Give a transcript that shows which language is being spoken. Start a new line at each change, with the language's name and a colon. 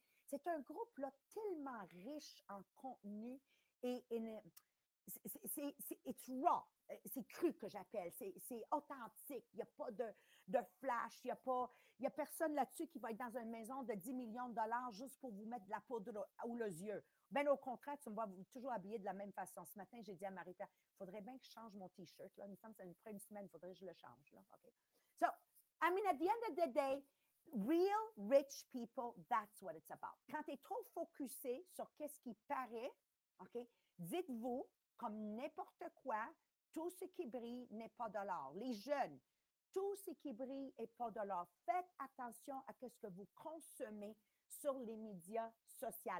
French: C'est un groupe là, tellement riche en contenu et c'est raw, c'est cru que j'appelle, c'est authentique. Il n'y a pas de flash, il n'y a personne là-dessus qui va être dans une maison de 10 millions de dollars juste pour vous mettre de la poudre ou les yeux. Bien, au contraire, tu me vois toujours habillée de la même façon. Ce matin, j'ai dit à Marie-Pierre, il faudrait bien que je change mon T-shirt. Là. Il me semble que ça me prend une semaine, il faudrait que je le change. Là. Okay.
English: So, I mean, at the end of the day, real rich people, that's what it's about.
French: Quand tu es trop focusé sur qu'est-ce qui paraît, okay, dites-vous, comme n'importe quoi, tout ce qui brille n'est pas de l'or. Les jeunes, tout ce qui brille n'est pas de l'or. Faites attention à ce que vous consommez sur les médias sociaux.